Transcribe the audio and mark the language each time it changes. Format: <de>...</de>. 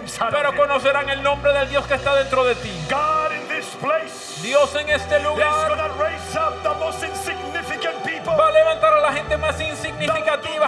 <es>Pero conocerán el nombre del Dios que está dentro de ti.</es> <en>God in this place.</en> <es>Dios en este lugar.</es> <en>He's gonna raise up the most insignificant people.</en> <es>Va a levantar a la gente más insignificativa.</es>